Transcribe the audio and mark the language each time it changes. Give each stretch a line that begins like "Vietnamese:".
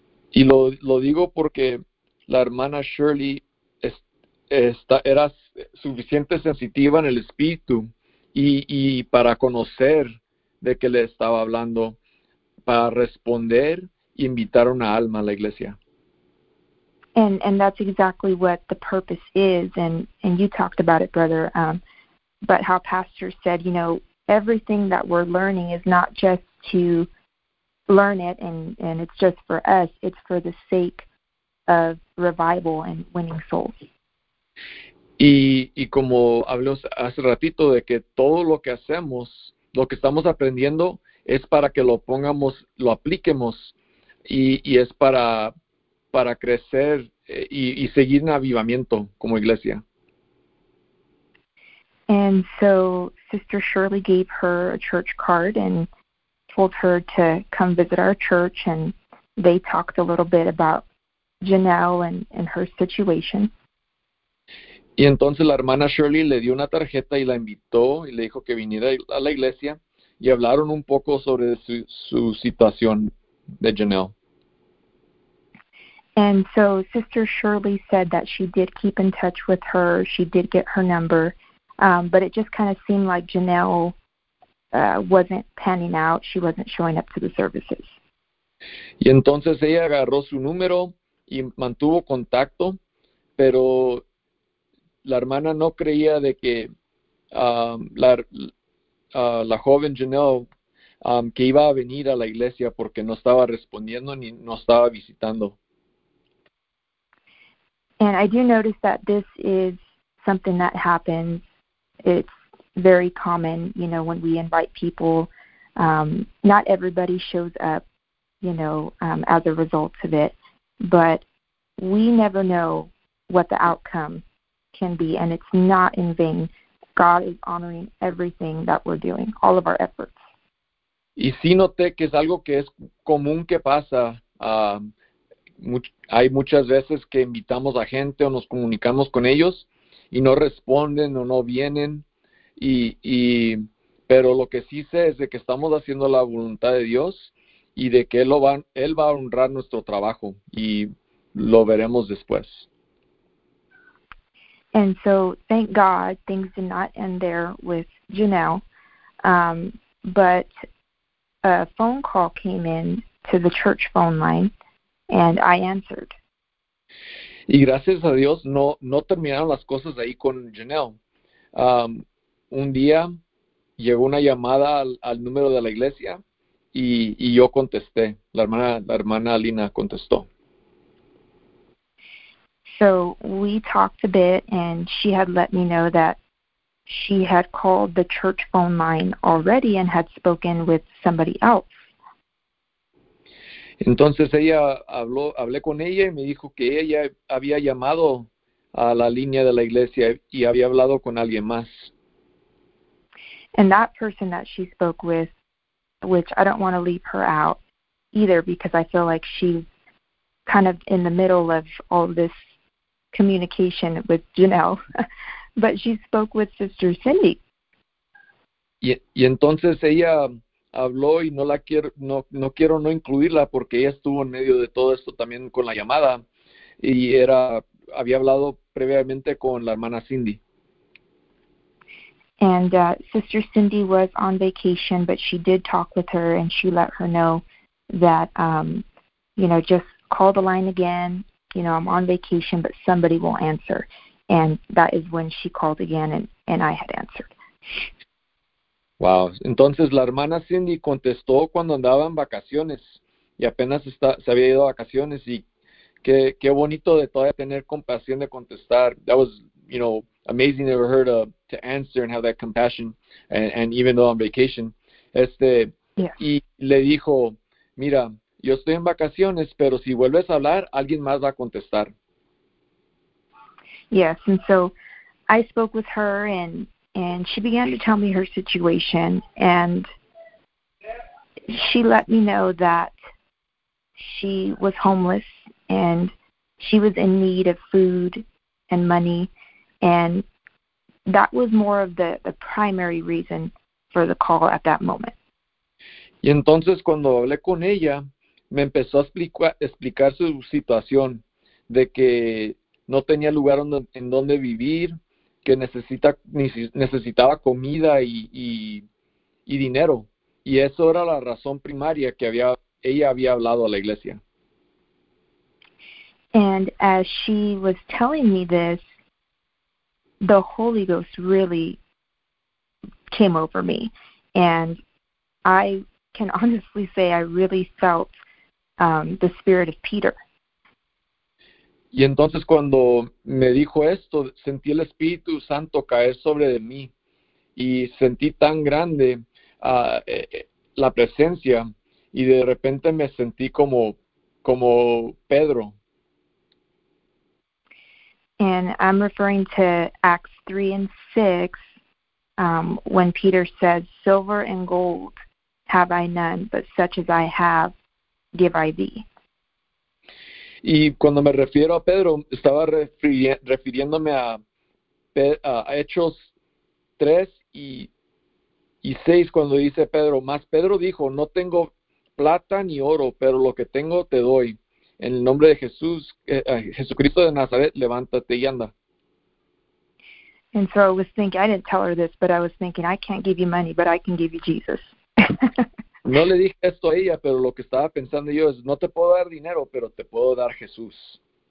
Spanish: Y lo digo porque la hermana Shirley era suficiente sensitiva en el espíritu y para conocer de qué le estaba hablando, para responder e invitar una alma a la iglesia.
English: And that's exactly what the purpose is, and you talked about it, brother, but how Pastor said, you know, everything that we're learning is not just to learn it and it's just for us, it's for the sake of revival and winning souls.
Spanish: Y como hablé hace ratito de que todo lo que hacemos, lo que estamos aprendiendo, es para que lo pongamos, lo apliquemos, y es para crecer y seguir en avivamiento como iglesia.
English: And so Sister Shirley gave her a church card and told her to come visit our church, and they talked a little bit about Janelle and her situation.
Spanish: Y entonces la hermana Shirley le dio una tarjeta y la invitó y le dijo que viniera a la iglesia y hablaron un poco sobre su situación de Janelle.
English: And so Sister Shirley said that she did keep in touch with her. She did get her number, but it just kind of seemed like Janelle wasn't panning out. She wasn't showing up to the services.
Spanish: Y entonces ella agarró su número y mantuvo contacto, pero la hermana no creía de que la joven Janelle que iba a venir a la iglesia porque no estaba respondiendo ni no estaba visitando.
English: And I do notice that this is something that happens. It's very common, you know, when we invite people. Not everybody shows up, you know, as a result of it. But we never know what the outcome can be. And it's not in vain. God is honoring everything that we're doing, all of our efforts.
Spanish: Y sí noté que es algo que es común que pasa. Hay muchas veces que invitamos a gente o nos comunicamos con ellos y no responden o no vienen. Pero lo que sí sé es de que estamos haciendo la voluntad de Dios y de que Él va a honrar nuestro trabajo y lo veremos después.
English: And so, thank God, things did not end there with Janelle. But a phone call came in to the church phone line. And I answered.
Spanish: Y gracias a Dios no terminaron las cosas ahí con Janelle. Un día llegó una llamada al número de la iglesia y yo contesté. La hermana Lina contestó.
English: So we talked a bit and she had let me know that she had called the church phone line already and had spoken with somebody else.
Spanish: Entonces ella hablé con ella y me dijo que ella había llamado a la línea de la iglesia y había hablado con alguien más.
English: And that person that she spoke with, which I don't want to leave her out either because I feel like she's kind of in the middle of all this communication with Janelle, but she spoke with Sister Cindy.
Spanish: Y entonces ella habló y no quiero incluirla porque ella estuvo en medio de todo esto también con la llamada y era había hablado previamente con la hermana Cindy.
English: And Sister Cindy was on vacation, but she did talk with her, and she let her know that, you know, just call the line again. You know, I'm on vacation, but somebody will answer. And that is when she called again, and I had answered. Wow.
Spanish: Entonces, la hermana Cindy contestó cuando andaba en vacaciones, y apenas se había ido a vacaciones, y qué bonito de todavía tener compasión de contestar.
English: That was, you know, amazing of her to answer and have that compassion, and even though on vacation. Yeah.
Spanish: Y le dijo, mira, yo estoy en vacaciones, pero si vuelves a hablar, alguien más va a contestar.
English: Yes, and so I spoke with her, and she began to tell me her situation, and she let me know that she was homeless, and she was in need of food and money, and that was more of the primary reason for the call at that moment.
Spanish: Y entonces cuando hablé con ella, me empezó a explicar su situación, de que no tenía lugar en donde vivir, que necesitaba comida y dinero. Y eso era la razón primaria que ella había hablado a la iglesia.
English: And as she was telling me this, the Holy Ghost really came over me. And I can honestly say I really felt the spirit of Peter.
Spanish: Y entonces cuando me dijo esto, sentí el Espíritu Santo caer sobre de mí y sentí tan grande la presencia, y de repente me sentí como Pedro.
English: And I'm referring to Acts 3 and 6, when Peter says, silver and gold have I none, but such as I have, give I thee.
Spanish: Y cuando me refiero a Pedro, estaba refiriéndome a Hechos 3 y 6, cuando dice Pedro, más Pedro dijo, no tengo plata ni oro, pero lo que tengo te doy. En el nombre de Jesús, Jesucristo de Nazaret, levántate y anda.
English: And so I was thinking, I didn't tell her this, but I was thinking, I can't give you money, but I can give you Jesus.
Spanish: No le dije esto a ella, pero lo que estaba pensando yo es, no te puedo dar dinero, pero te puedo dar Jesús.